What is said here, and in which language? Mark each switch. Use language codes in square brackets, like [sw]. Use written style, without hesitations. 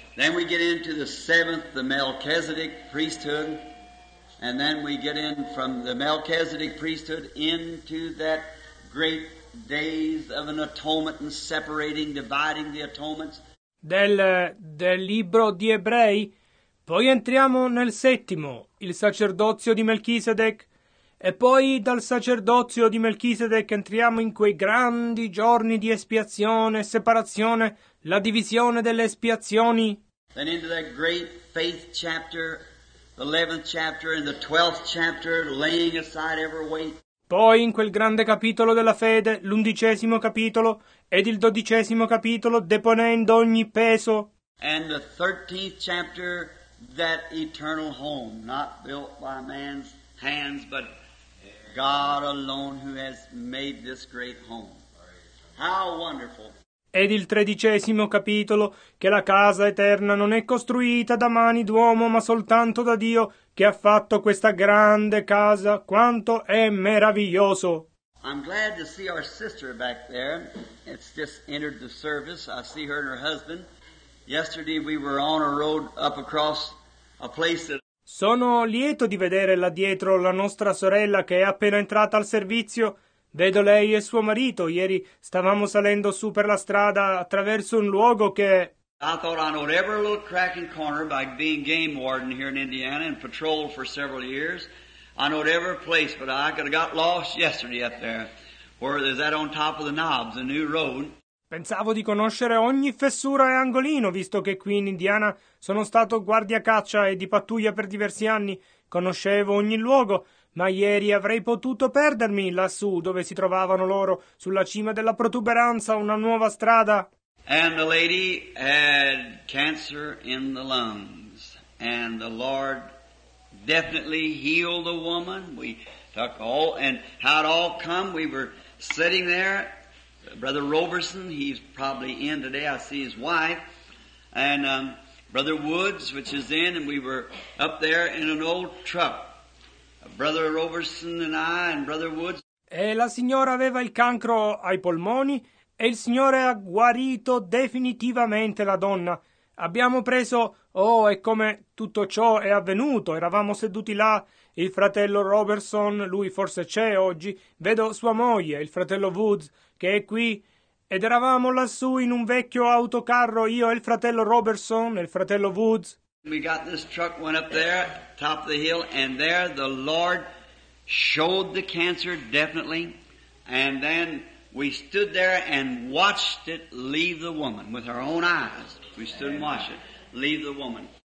[en] Then we get into the seventh, the Melchizedek priesthood, and then we get in from the Melchizedek priesthood into that great days of an atonement and separating, dividing the atonements. [it] Del libro di Ebrei, poi entriamo nel settimo, il sacerdozio di Melchisedec, e poi dal sacerdozio di Melchisedec entriamo in quei grandi giorni di espiazione, separazione, la divisione delle espiazioni. [en] Then into that great faith chapter, the 11th chapter and the 12th chapter, laying aside every weight. [it] Poi in quel grande capitolo della fede, l'undicesimo capitolo ed il dodicesimo capitolo, deponendo ogni peso. [en] And the 13th chapter, that eternal home, not built by man's hands, but God alone who has made this great home. How wonderful! [it] Ed il tredicesimo capitolo, che la casa eterna non è costruita da mani d'uomo, ma soltanto da Dio, che ha fatto questa grande casa, quanto è meraviglioso! [en] I'm glad to see our sister back there. It's just entered the service. I see her and her husband. Yesterday we were on a road up across a place that... [it] Sono lieto di vedere là dietro la nostra sorella che è appena entrata al servizio. Vedo lei e suo marito. Ieri stavamo salendo su per la strada attraverso un luogo che... [en] I thought I knowed every little crack and corner by being game warden here in Indiana and patrolled for several years. I knowed every place, but I could have got lost yesterday up there where there's that on top of the knobs, a new road. [it] Pensavo di conoscere ogni fessura e angolino, visto che qui in Indiana sono stato guardia caccia e di pattuglia per diversi anni. Conoscevo ogni luogo, ma ieri avrei potuto perdermi lassù dove si trovavano loro, sulla cima della protuberanza, una nuova strada. [en] And the lady had cancer in the lungs, and the Lord definitely healed the woman. We took all, and how it all come, we were sitting there. Brother Roberson, he's probably in today, I see his wife, and Brother Woods, which is in, and we were up there in an old truck, Brother Roberson and I and Brother Woods. [it] E la signora aveva il cancro ai polmoni, e il signore ha guarito definitivamente la donna. Abbiamo preso, e come tutto ciò è avvenuto, eravamo seduti là, il fratello Roberson, lui forse c'è oggi, vedo sua moglie, il fratello Woods, che è qui, ed eravamo lassù in un vecchio autocarro, io e il fratello Roberson e il fratello Woods. [en] We got this truck, went up there, top of the hill, and there the Lord showed the cancer definitely, and then we stood there and watched it leave the woman with our own eyes. We stood and watched it leave the woman.